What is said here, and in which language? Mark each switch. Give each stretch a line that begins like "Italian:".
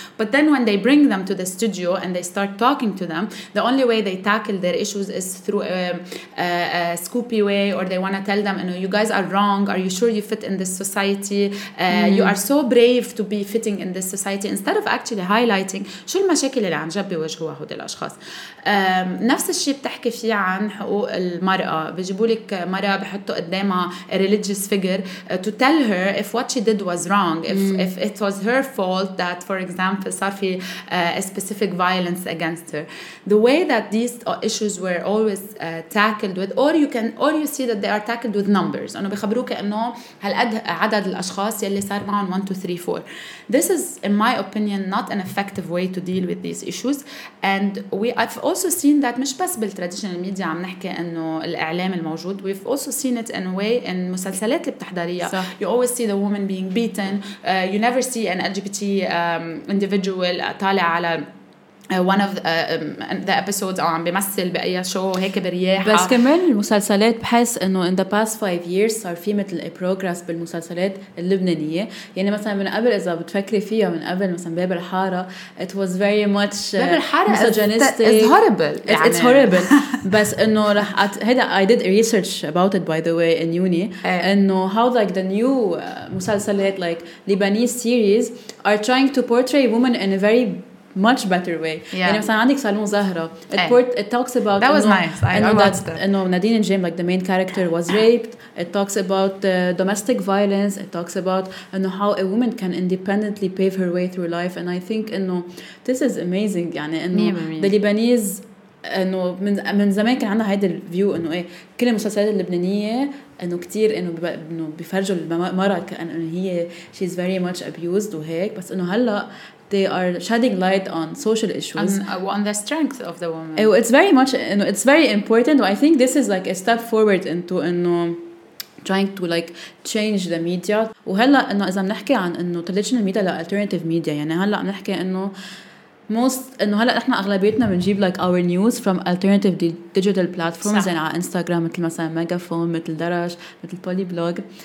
English: But then when they bring them to the studio and they start talking to them, the only way they tackle their issues is through a scoopy way, or they want to tell them them, you know, you guys are wrong. Are you sure you fit in this society? You are so brave to be fitting in this society. Instead of actually highlighting
Arabic: شو المشاكل اللي عن جد بيواجهوها هدول الأشخاص. نفس الشيء بتحكي فيه عن حقوق المرأة. بيجيبوا لك مرأة بحطوا قدامها
English: a religious figure to tell her if what she did was wrong, if it was her fault that, for example,
Arabic: صار في
English: a specific violence against her. The way that these issues were always tackled with, or you see that they are tackled with numbers.
Arabic: أنا بخبروك إنه هالقد عدد الأشخاص يلي صار معهم 1, 2, 3, 4.
English: This is, in my opinion, not an effective way to deal with these issues. And I've also seen that
Arabic: مش بس بالتراديشنال ميديا عم نحكي إنه الإعلام الموجود.
English: We've also seen it in a way in
Arabic: مسلسلات اللي بتحضريها.
English: So, you always see the woman being beaten. You never see an LGBT individual
Arabic: طالع على
English: one of the episodes
Arabic: عم بمثل بأي شو هيك برياحة. بس كمان المسلسلات بحس إنه
English: in the past 5 years
Arabic: صار في مثل
English: a progress
Arabic: بالمسلسلات اللبنانية. يعني مثلا من قبل إذا بتفكري فيها من قبل مثلا باب الحارة
English: it was very much باب الحارة it's horrible
Arabic: بس إنه رح هيدا
English: I did a research about it by the way in uni إنه how like the new مسلسلات like Lebanese series are trying to portray women in a very much better way. Yeah.
Arabic: يعني مثلا عندك سالون زهرة.
English: It talks about that was إنو, nice. I watched that. إنو Nadine and James, like the main character, was raped. It talks about domestic violence. It talks about إنو how a woman can independently pave her way through life. And I think إنو this is amazing.
Arabic: يعني إنو
English: the Lebanese
Arabic: إنو من زمان كان عندنا هيدا الفيو إنو إيه كل المسلسلات اللبنانية إنه كتير إنه بفرجوا المرأة كأنه هي
English: she's very much abused
Arabic: وهيك بس إنه هلا
English: they are shedding light on social issues on the strength of the woman. It's very much it's very important. I think this is like a step forward into trying to like change the media.
Arabic: وهلا إنه إذا بنحكي عن إنه traditional media لا alternative media يعني هلا بنحكي إنه most إنه هلا إحنا أغلبيتنا بنجيب
English: like our news from alternative digital platforms
Arabic: زي على Instagram مثل مثلا Megaphone مثل درج مثل Polyblog.